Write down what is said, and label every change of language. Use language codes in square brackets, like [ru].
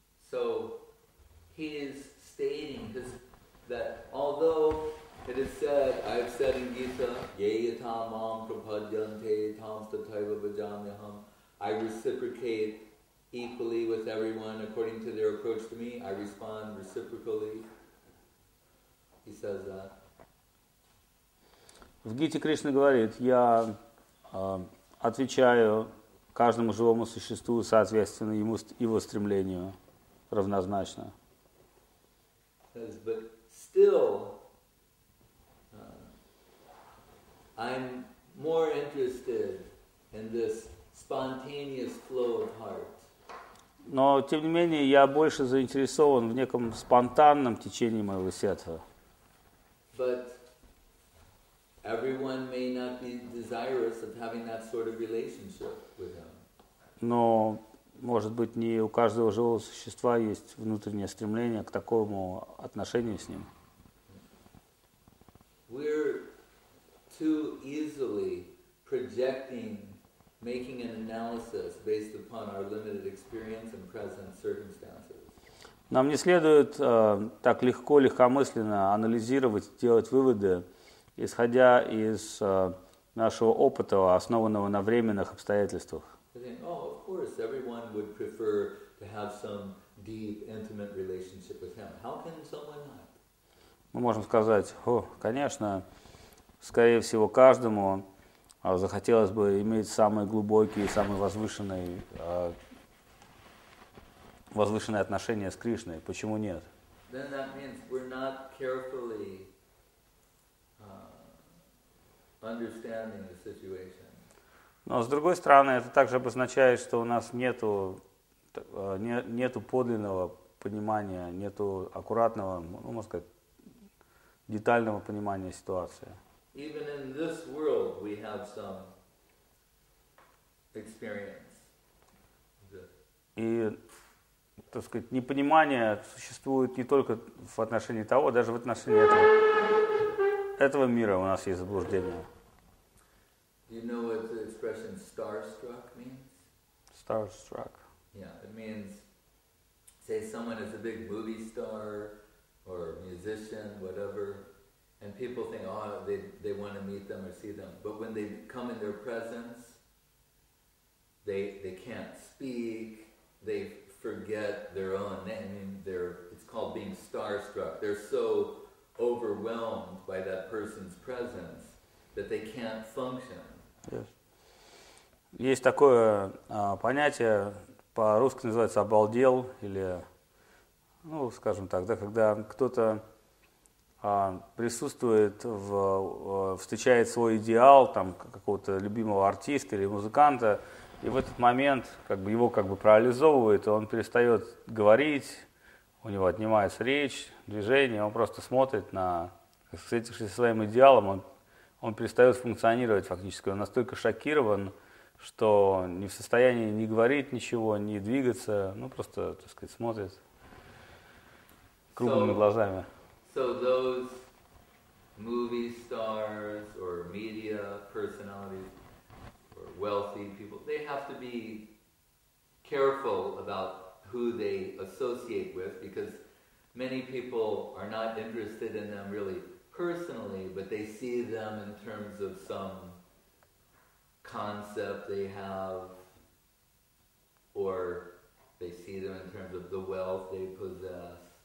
[en] So he is stating this, that although it is said, I've said in Gita, [sa] Yayatam Mam Prapadyante Tamstataiva Bhajamyaham, [en] I reciprocate equally with everyone according to their approach to me, I respond reciprocally. He says that. [ru] В Гите Кришна говорит, я отвечаю каждому живому существу соответственно ему, его стремлению равнозначно. [en] Says, but still, I'm more interested in this spontaneous flow of heart. [ru] Но, тем не менее, я больше заинтересован в неком спонтанном течении моего сердца. [en] But everyone may not be desirous of having that sort of relationship with him. [ru] Но, может быть, не у каждого живого существа есть внутреннее стремление к такому отношению с ним. [en] We're too easily projecting, making an analysis based upon our limited experience and present circumstances. [ru] Нам не следует так легко, легкомысленно анализировать, делать выводы, исходя из нашего опыта, основанного на временных обстоятельствах. Мы можем сказать, о, конечно, скорее всего, каждому захотелось бы иметь самые глубокие, самые возвышенные возвышенные отношения с Кришной. Почему нет? [en] Then that means we're not carefully understanding the situation. [ru] Но с другой стороны, это также обозначает, что у нас нету нету подлинного понимания, нету аккуратного, ну, можно сказать, детального понимания ситуации. [en] Even in this world we have some experience. [ru] И, так сказать, непонимание существует не только в отношении того, даже в отношении этого мира у нас есть заблуждение. [en] Do you know what the expression starstruck means? Starstruck. Yeah, it means, say someone is a big movie star or musician, whatever, and people think, oh, they want to meet them or see them. But when they come in their presence, they can't speak, they forget their own name. It's called being starstruck. They're so overwhelmed by that person's presence that they can't function. Yes. [ru] Есть такое понятие, по-русски называется «обалдел», или, ну, скажем так, да, когда кто-то присутствует, встречает свой идеал, там, какого-то любимого артиста или музыканта, и в этот момент как бы его как бы парализовывает, и он перестает говорить, у него отнимается речь, движение, он просто смотрит на, встретившись со своим идеалом, он перестает функционировать фактически. Он настолько шокирован, что не в состоянии ни говорить ничего, ни двигаться, ну просто, так сказать, смотрит круглыми глазами. [en] So those movie stars or media personalities or wealthy people, they have to be careful about who they associate with, because many people are not interested in them really personally, but they see them in terms of some concept they have, or they see them in terms of the wealth they possess.